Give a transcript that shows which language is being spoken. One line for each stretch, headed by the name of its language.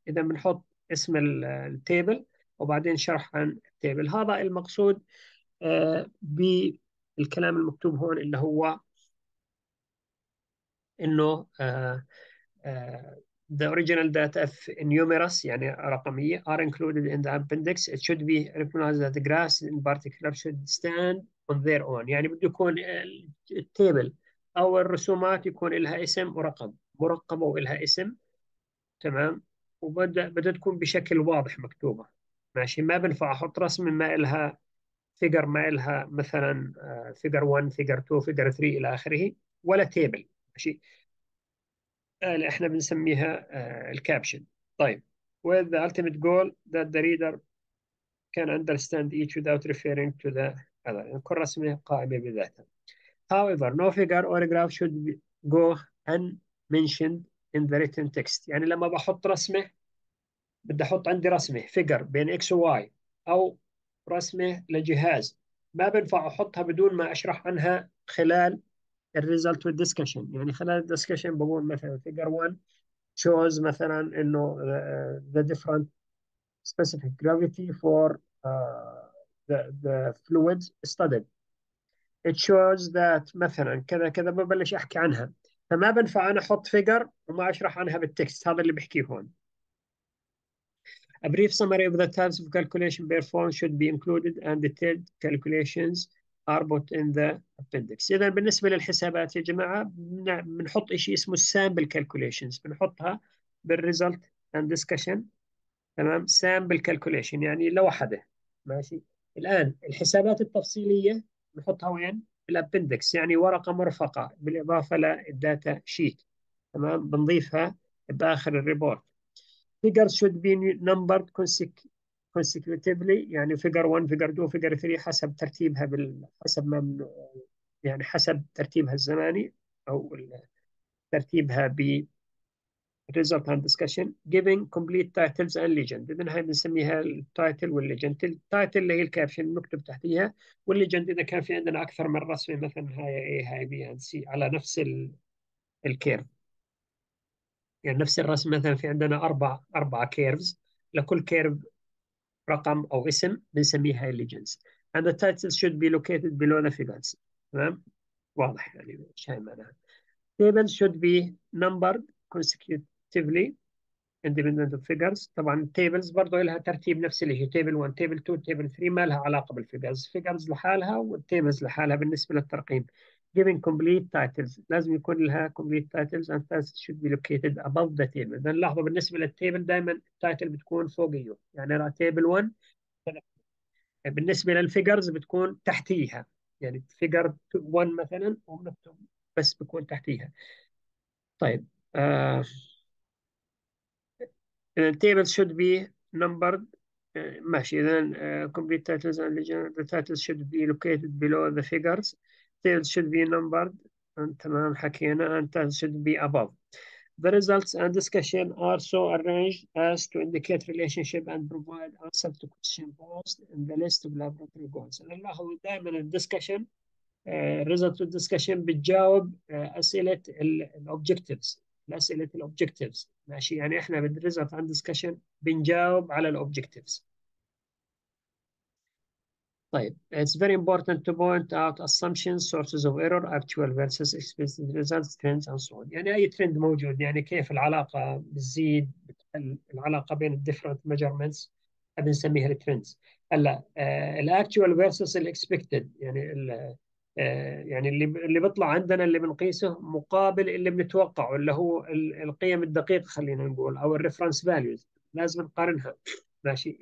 Arabic: إذا بنحط اسم التيبل وبعدين شرح عن التيبل. هذا المقصود بالكلام المكتوب هون اللي هو انه
English: the original data of numerous
Arabic: يعني رقمية
English: are included in the appendix. It should be recognized that the graphs in particular should stand on their own.
Arabic: يعني بده يكون التيبل أو الرسومات يكون لها اسم ورقم، مرقبة ولها اسم. تمام، بدها تكون بشكل واضح مكتوبة. ماشي، ما بنفع احط رسمه ما لها فيجر، ما لها مثلا فيجر 1 فيجر 2 فيجر 3 الى اخره، ولا تيبل. ماشي، احنا بنسميها الكابشن.
English: طيب، with the ultimate goal that the reader can understand each without referring to the other.
Arabic: يعني كل رسمه قائمه بذاتها.
English: However, no figure or graph should go unmentioned in the written text.
Arabic: يعني لما بحط رسمه بدي احط عندي رسمه فيجر بين اكس وواي او رسمه لجهاز، ما بنفع احطها بدون ما اشرح عنها خلال الريزلت والديسكشن، يعني خلال الديسكشن بقول مثلا فيجر 1 شوز مثلا انه ذا ديفرنت سبيسيفيك جرافيتي فور ذا فلويد ستادد،
English: it shows that
Arabic: مثلا كذا كذا، ببلش احكي عنها، فما بنفع انا احط فيجر وما اشرح عنها بالتكست، هذا اللي بحكيه هون.
English: A brief summary of the types of calculation performed should be included and detailed calculations are put in the appendix.
Arabic: إذا بالنسبة للحسابات يا جماعة بنحط إشي اسمه
English: sample calculations،
Arabic: بنحطها بال
English: result and discussion.
Arabic: تمام، sample calculation يعني لوحده، ماشي. الآن الحسابات التفصيلية بنحطها وين؟ بالappendix، يعني ورقة مرفقة بالإضافة للداتا شيت. تمام، بنضيفها بآخر الريبورت.
English: Figures should be numbered consecutively، يعني figure 1 figure 2 figure 3
Arabic: حسب ترتيبها حسب ما يعني حسب ترتيبها الزماني او ترتيبها ب
English: result and discussion giving complete titles and legend.
Arabic: اذا هاي بنسميها التايتل والليجند، التايتل اللي هي الكابشن المكتوب تحتيها، والليجند اذا كان في عندنا اكثر من رسمه مثلا هاي اي هاي بي اند سي على نفس الكيرف، يعني نفس الرسم مثلا في عندنا أربعة كيرفز، لكل كيرف رقم أو اسم بنسميه هاي الليجنز.
English: And the titles should be located below the figures.
Arabic: تمام؟ واضح يعني مش هاي معناها.
English: Tables should be numbered consecutively independent of figures.
Arabic: طبعا التيبلز برضه لها ترتيب نفس اللي هي تيبل 1 تيبل 2 تيبل 3، ما لها علاقة بالفيجرز، فيجرز لحالها والتيبلز لحالها بالنسبة للترقيم.
English: Giving complete titles
Arabic: لازم يكون لها
English: complete titles and titles should be located above the table.
Arabic: إذا لاحظوا بالنسبة للتيبل دائما التايتل بتكون فوقيه، يعني أنا تيبل 1 بالنسبة للفيجرز بتكون تحتيها، يعني فيجر 1 مثلا ومكتوب بس بيكون تحتيها. طيب التيبلز
English: should be numbered،
Arabic: ماشي.
English: إذا complete titles and the titles should be located below the figures. Details should be numbered and
Arabic: تمام حكينا
English: and titles should be above. The results and discussion are so arranged as to indicate relationship and provide answer to question posed in the list of laboratory goals.
Arabic: نلاحظ دائما الدسكشن
English: results of discussion
Arabic: بتجاوب أسئلة الأوبجيكتيفز، أسئلة الأوبجيكتيفز، ماشي. يعني إحنا بالريزلت عن discussion بنجاوب على الأوبجيكتيفز.
English: طيب it's very important to point out assumptions, sources of error, actual versus expected results, trends and so on.
Arabic: يعني أي trend موجود، يعني كيف العلاقة بتزيد، العلاقة بين ال
English: different measurements
Arabic: بنسميها ال trends. هلا ال actual versus ال expected، يعني ال يعني اللي بيطلع عندنا اللي بنقيسه مقابل اللي بنتوقعه اللي هو القيم الدقيقة، خلينا نقول أو ال
English: reference values،
Arabic: لازم نقارنها، ماشي.